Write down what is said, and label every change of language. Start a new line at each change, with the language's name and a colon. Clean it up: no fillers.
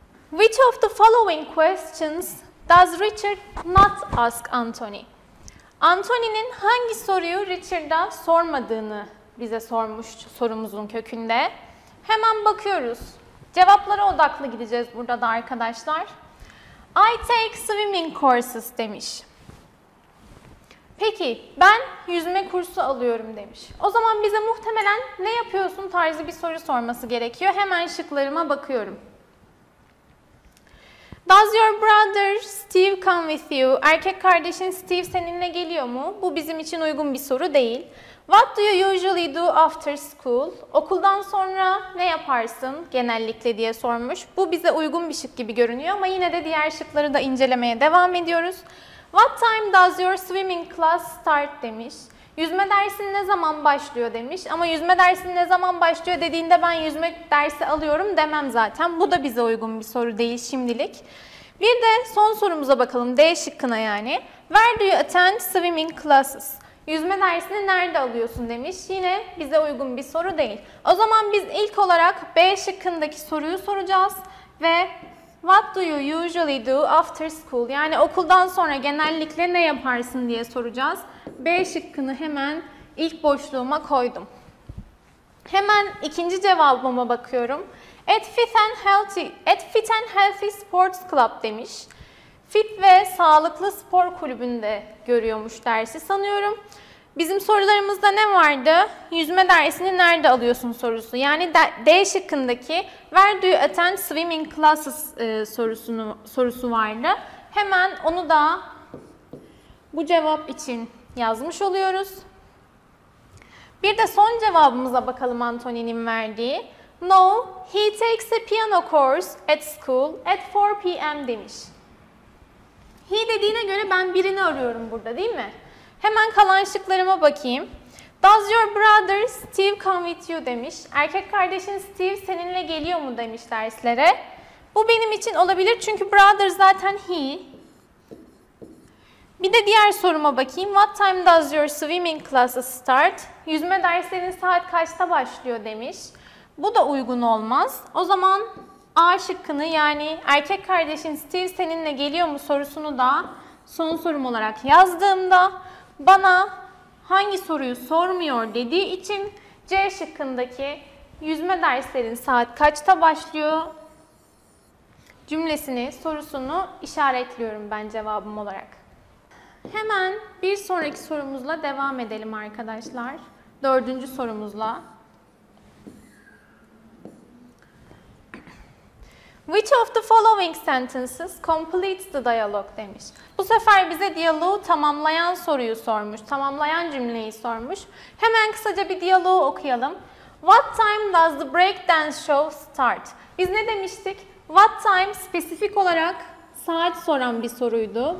English: Which of the following questions does Richard not ask Anthony?
Turkish: Anthony'nin hangi soruyu Richard'a sormadığını bize sormuş sorumuzun kökünde. Hemen bakıyoruz. Cevaplara odaklı gideceğiz burada da arkadaşlar.
English: I take swimming courses
Turkish: demiş. Peki, ben yüzme kursu alıyorum demiş. O zaman bize muhtemelen ne yapıyorsun tarzı bir soru sorması gerekiyor. Hemen şıklarıma bakıyorum.
English: Does your brother Steve come with you?
Turkish: Erkek kardeşin Steve seninle geliyor mu? Bu bizim için uygun bir soru değil.
English: What do you usually do after school?
Turkish: Okuldan sonra ne yaparsın genellikle diye sormuş. Bu bize uygun bir şık gibi görünüyor ama yine de diğer şıkları da incelemeye devam ediyoruz.
English: What time does your swimming class start
Turkish: demiş. Yüzme dersin ne zaman başlıyor demiş. Ama yüzme dersin ne zaman başlıyor dediğinde ben yüzme dersi alıyorum demem zaten. Bu da bize uygun bir soru değil şimdilik. Bir de son sorumuza bakalım. D şıkkına yani.
English: Where do you attend swimming classes?
Turkish: Yüzme dersini nerede alıyorsun demiş. Yine bize uygun bir soru değil. O zaman biz ilk olarak B şıkkındaki soruyu soracağız. Ve
English: what do you usually do after school?
Turkish: Yani okuldan sonra genellikle ne yaparsın diye soracağız. B şıkkını hemen ilk boşluğuma koydum. Hemen ikinci cevabıma bakıyorum. At Fit and Healthy Sports Club demiş. Fit ve sağlıklı spor kulübünde görüyormuş dersi sanıyorum. Bizim sorularımızda ne vardı? Yüzme dersini nerede alıyorsun sorusu. Yani D şıkkındaki
English: Where do you attend swimming classes
Turkish: sorusu vardı. Hemen onu da bu cevap için yazmış oluyoruz. Bir de son cevabımıza bakalım Anthony'nin verdiği.
English: No, he takes a piano course at school at 4 p.m.
Turkish: demiş. He dediğine göre ben birini arıyorum burada değil mi? Hemen kalan şıklarıma bakayım.
English: Does your brother Steve come with you
Turkish: demiş. Erkek kardeşin Steve seninle geliyor mu demiş derslere. Bu benim için olabilir çünkü brother zaten he. Bir de diğer soruma bakayım.
English: What time does your swimming classes start?
Turkish: Yüzme derslerin saat kaçta başlıyor demiş. Bu da uygun olmaz. O zaman A şıkkını yani erkek kardeşin Steve seninle geliyor mu sorusunu da son sorum olarak yazdığımda bana hangi soruyu sormuyor dediği için C şıkkındaki yüzme derslerin saat kaçta başlıyor cümlesini, sorusunu işaretliyorum ben cevabım olarak. Hemen bir sonraki sorumuzla devam edelim arkadaşlar. 4. sorumuzla.
English: Which of the following sentences completes the dialogue
Turkish: demiş. Bu sefer bize diyaloğu tamamlayan soruyu sormuş, tamamlayan cümleyi sormuş. Hemen kısaca bir diyaloğu okuyalım.
English: What time does the breakdance show start?
Turkish: Biz ne demiştik? What time spesifik olarak saat soran bir soruydu.